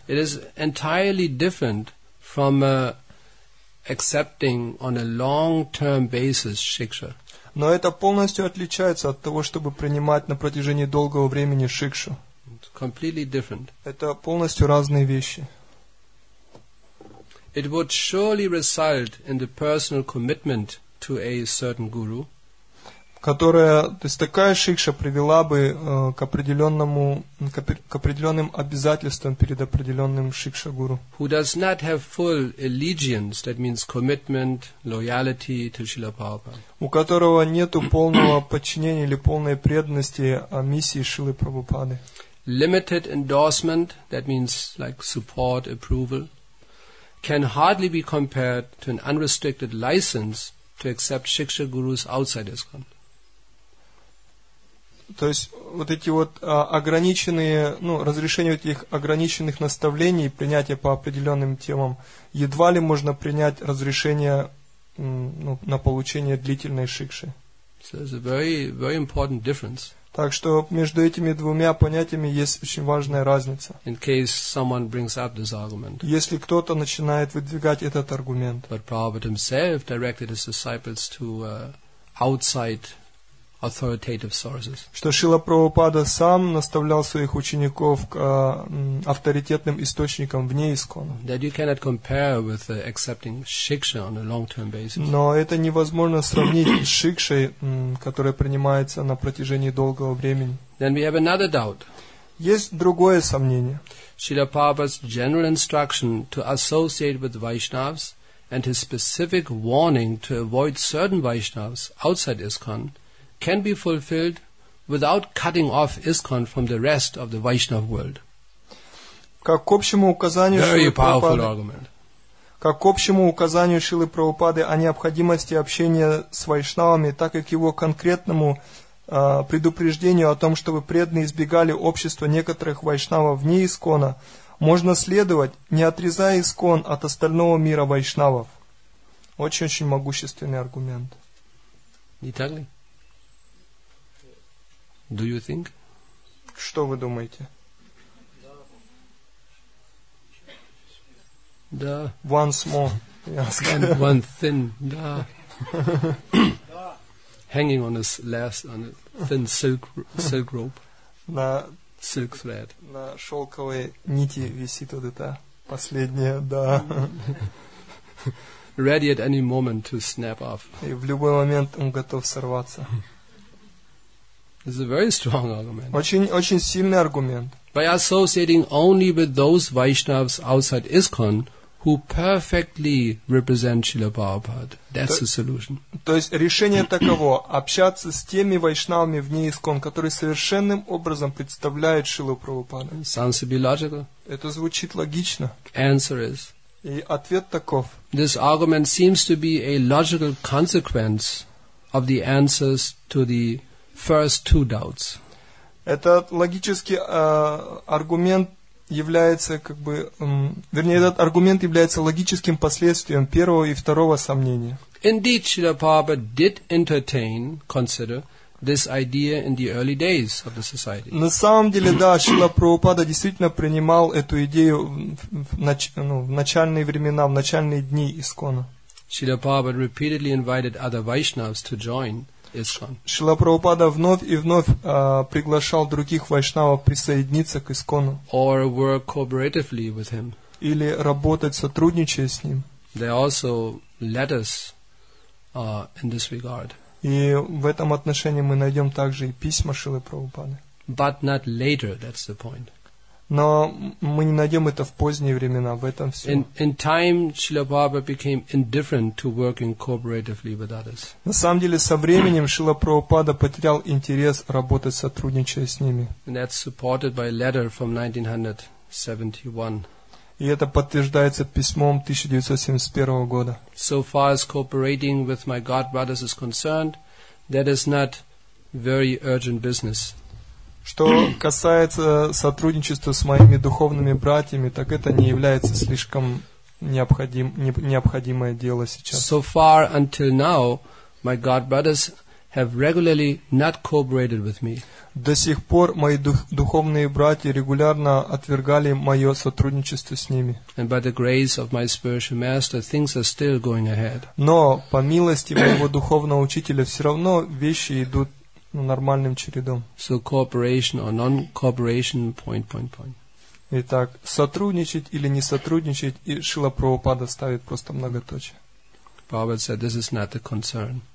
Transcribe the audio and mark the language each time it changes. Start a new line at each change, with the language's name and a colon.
English: It is entirely different from accepting on a long-term basis shiksha.
Russian: Но это полностью отличается от того, чтобы принимать на протяжении долгого времени шикшу.
English: Completely different.
Russian: Это полностью разные вещи.
English: It would surely result in the personal commitment to a certain guru.
Russian: Которая, то есть такая шикша привела бы к определенным обязательствам перед определенным шикша-гуру.
English: Who does not have full allegiance, that means commitment, loyalty to Srila Prabhupada.
Russian: У которого нету полного подчинения или полной преданности о миссии Шрилы Прабхупады.
English: Limited endorsement, that means like support, approval, can hardly be compared to an unrestricted license to accept shiksha-gurus outside ISKCON.
Russian: То есть вот эти вот ограниченные, ну, разрешение этих ограниченных наставлений, принятие по определенным темам, едва ли можно принять разрешение, ну, на получение длительной шикши.
English: So it's a very, very important difference.
Russian: Так что между этими двумя понятиями есть очень важная разница.
English: In case someone brings up this argument.
Russian: Если кто-то начинает выдвигать этот аргумент.
English: But Prabhupada himself directed his disciples to outside authoritative sources.
Russian: Что Шрила Прабхупада сам наставлял своих учеников к авторитетным источникам вне ИСКОНа.
English: That you cannot compare with accepting шикша on a long-term basis.
Russian: Но это невозможно сравнить с шикшей, которая принимается на протяжении долгого времени.
English: Then we have another doubt.
Russian: Есть другое сомнение.
English: Шрила Прабхупада's general instruction to associate with Vaishnavas and his specific warning to avoid certain Vaishnavas outside ISKCON can be fulfilled without cutting off ISKCON from the rest of the Vaishnav world.
Russian: Как к общему указанию Шрилы Прабхупады, о необходимости общения с вайшнавами, так и к его конкретному предупреждению о том, чтобы преданные избегали общества некоторых вайшнавов вне ИСКОНа, можно следовать, не отрезая ИСКОН от остального мира вайшнавов. Очень-очень могущественный аргумент. Не так ли?
English: Do you think?
Russian: Что вы думаете? Да.
English: One small. And one thin.
Russian: Да.
English: Hanging on his last on a thin silk rope.
Russian: На
English: silk thread.
Russian: На шелковой нити висит вот это последнее, да.
English: Ready at any moment to snap off.
Russian: И в любой момент он готов сорваться.
English: This is a very strong argument.
Russian: Очень, очень сильный аргумент.
English: By associating only with those Vaishnavas outside ISKCON, who perfectly represent Srila Prabhupada. That's the solution.
Russian: То есть решение таково: общаться с теми вайшнавами вне ИСККОН, которые совершенным образом представляют Шрилу Прабхупаду.
English: Sounds to be logical.
Russian: Это звучит логично.
English: Answer is.
Russian: И ответ таков.
English: This argument seems to be a logical consequence of the answers to the first two doubts.
Russian: Этот логический аргумент является как бы, вернее, этот аргумент является логическим последствием первого и второго сомнения.
English: Indeed, Srila Prabhupada did entertain, consider this idea in the early days of the society.
Russian: На самом деле, да, Шрила Прабхупада действительно принимал эту идею в начальные времена, в начальные дни ИСККОНа.
English: Srila Prabhupada repeatedly invited other Vaishnavas to join.
Russian: Шрила Прабхупада вновь и вновь приглашал других вайшнавов присоединиться к ИСККОНу.
English: Or work cooperatively with him.
Russian: Или работать, сотрудничая с ним.
English: There are also letters in this regard.
Russian: И в этом отношении мы найдем также и письма Шрилы Прабхупады.
English: But not later, that's the point.
Russian: Но мы не найдем это в поздние времена, в этом все.
English: In time, Srila Prabhupada became indifferent to working cooperatively with others.
Russian: На самом деле, со временем Шрила Прабхупада потерял интерес работать, сотрудничая с ними.
English: And that's supported by a letter from 1971.
Russian: И это подтверждается письмом 1971 года.
English: So far as cooperating with my god brothers is concerned, that is not very urgent business.
Russian: Что касается сотрудничества с моими духовными братьями, так это не является слишком необходимое дело сейчас.
English: So far until now, my God brothers have regularly not cooperated with me.
Russian: До сих пор мои духовные братья регулярно отвергали мое сотрудничество с ними.
English: And by the grace of my spiritual master, things are still going ahead.
Russian: Но по милости моего духовного учителя все равно вещи идут нормальным чередом.
English: So cooperation or non-cooperation, point, point, point.
Russian: Итак, сотрудничать или не сотрудничать, и Шрила Прабхупада ставит просто многоточие.
English: Prabhupada said, this is not the concern.